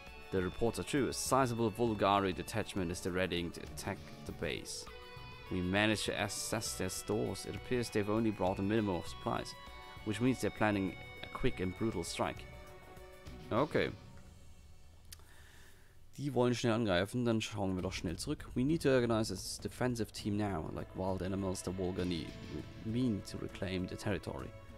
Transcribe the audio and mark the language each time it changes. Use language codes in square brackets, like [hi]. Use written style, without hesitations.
[en] The reports are true. A sizable Vulgari detachment is readying to attack the base. We managed to assess their stores. It appears they've only brought a minimum of supplies, which means they're planning a quick and brutal strike. Okay. [de] Die wollen schnell angreifen, dann schauen wir doch schnell zurück. [en] We need to organize a defensive team now, like wild animals that will gonna mean to reclaim the territory.